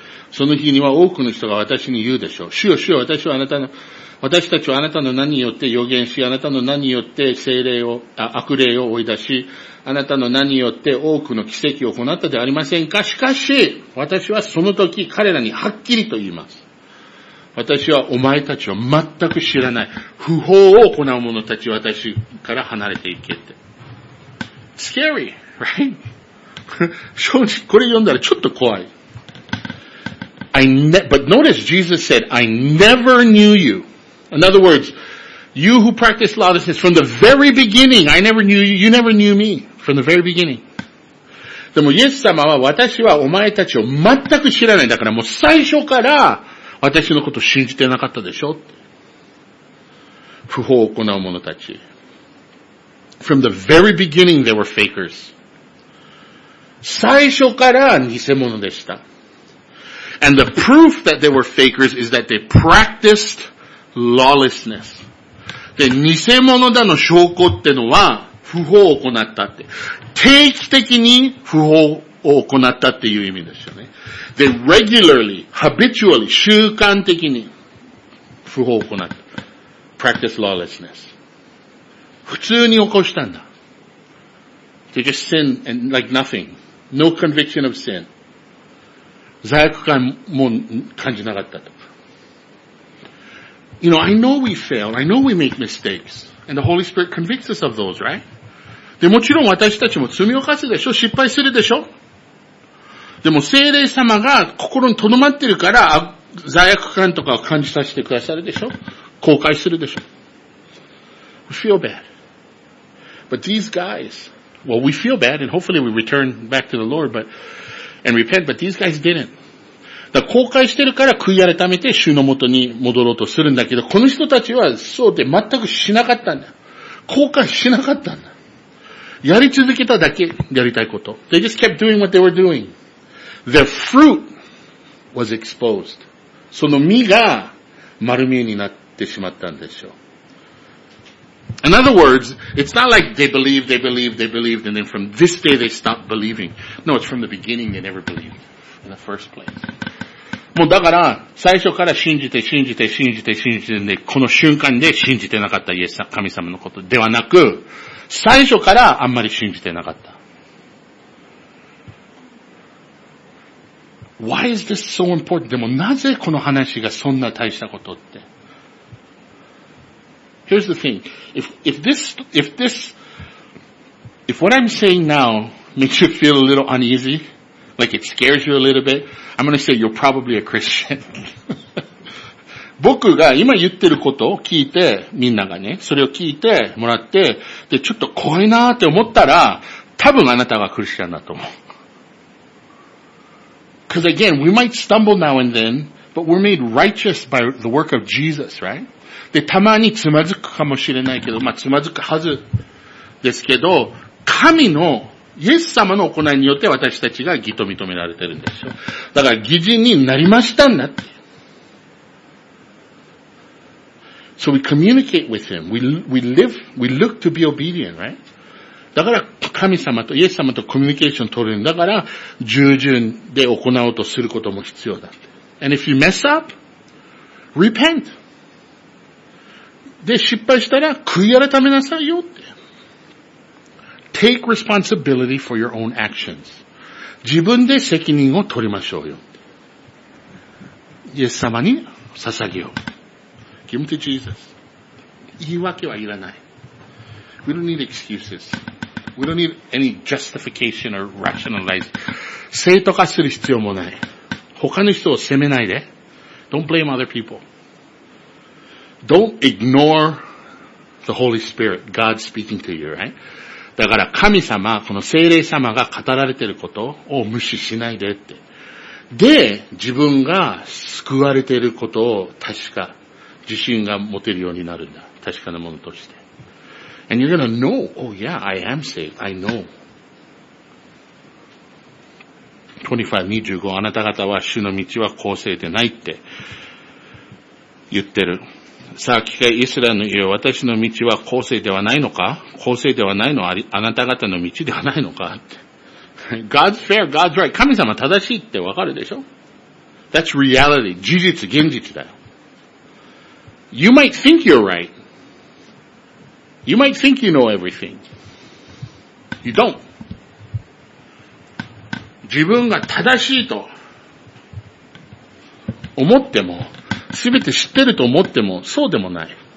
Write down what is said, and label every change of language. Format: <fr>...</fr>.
<ja>その日には多くの人が私に言うでしょう。主よ主よ、私たちはあなたの名によって預言し、あなたの名によって悪霊を追い出し、あなたの名によって多くの奇跡を行ったではありませんか。しかし、私はその時彼らにはっきりと言います。私はお前たちを全く知らない。不法を行う者たち、私から離れていけって。</ja> <en>Scary. Right?</en> <ja>正直、これ読んだらちょっと怖い。</ja> <en>But notice Jesus said, I never knew you. In other words, you who practice lawlessness from the very beginning, I never knew you, you never knew me from the very beginning.</en> <ja>でも、イエス様は私はお前たちを全く知らない。だからもう最初から私のことを信じてなかったでしょ。不法を行う者たち。</ja> <en>From the very beginning, they were fakers.</en> <ja>最初から偽物でした。</ja> <en>And the proof that they were fakers is that they practiced lawlessness.</en> <ja>で、偽物だの証拠ってのは、不法を行ったって。定期的に不法を行ったっていう意味ですよね。で、</ja> <en>regularly, habitually,</en> <ja>習慣的に不法を行った。</ja> <en>practice lawlessness.</en> <ja>普通に起こしたんだ。</ja> <en>They just sin and like nothing. No conviction of sin.</en> <ja>罪悪感も感じなかったと。</ja> <en>You know, I know we fail. I know we make mistakes. And the Holy Spirit convicts us of those, right?</en> <ja>で、もちろん私たちも罪を犯すでしょ。失敗するでしょ。でも聖霊様が心に留まってるから罪悪感とかを感じさせてくださるでしょ。後悔するでしょ。</ja> <en>We feel bad. But these guys, well, we feel bad and hopefully we return back to the Lord, but, and repent, but these guys didn't.</en> <ja>だ後悔してるから悔い改めて主の元に戻ろうとするんだけど、この人たちはそうで全くしなかったんだ。後悔しなかったんだ。やり続けただけ、やりたいこと。</ja> <en>They just kept doing what they were doing. Their fruit was exposed.</en> <ja>その実が丸見えになってしまったんでしょう。</ja> <en>In other words, it's not like they believed, and then from this day they stopped believing. No, it's from the beginning they never believed. In the first place.</en> <ja>もうだから最初から信じてでこの瞬間で信じてなかったイエス神様のことではなく最初からあんまり信じてなかった。</ja> <en>Why is this so important?</en> <ja>でもなぜこの話がそんな大したことって。</ja> <en>Here's the thing. If what I'm saying now makes you feel a little uneasy,Like it scares you a little bit. I'm gonna say you're probably a Christian.</en> <ja>僕が今言ってることを聞いて、みんながね、それを聞いてもらって、で、ちょっと怖いなーって思ったら、多分あなたがクリスチャンだと思う。</ja> <en>Because again, we might stumble now and then, but we're made righteous by the work of Jesus, right?</en> <ja>で、たまにつまずくかもしれないけど、まあ、つまずくはずですけど、神のイエス様の行いによって私たちが義と認められてるんですよ。だから義人になりましたんだって。</ja> <en>So we communicate with him. We look to be obedient, right?</en> <ja>だから神様とイエス様とコミュニケーション取るんだから従順で行おうとすることも必要だって。</ja> <en>And if you mess up, repent.</en> <ja>で、失敗したら悔い改めなさいよって。</ja> <en>Take responsibility for your own actions.</en> <ja>自分で責任を取りましょうよ。イエス様に捧げよう。</ja> <en>Give them to Jesus.</en> <ja>言い訳はいらない。</ja> <en>We don't need excuses. We don't need any justification or rationalize.</en> <ja>正当化する必要もない。他の人を責めないで。</ja> <en>Don't blame other people. Don't ignore the Holy Spirit, God speaking to you, right?</en> <ja>だから神様、この聖霊様が語られていることを無視しないでって。で、自分が救われていることを確か、自信が持てるようになるんだ。確かなものとして。</ja> <en>And you're gonna know, oh yeah, I am saved, I know.</en> <ja>25-25, あなた方は主の道は公正でないって言ってる。さあ、聞け、イスラエルの家、私の道は公正ではないのか公正ではないのあなた方の道ではないのかって。</ja> <en>God's fair, God's right.</en> <ja>神様正しいってわかるでしょ ?</ja> <en>That's reality.</en> <ja>事実、現実だよ。</ja> <en>You might think you're right.You might think you know everything.You don't.</en> <ja>自分が正しいと思っても、すべて知ってると思っても、そうでもない。</ja>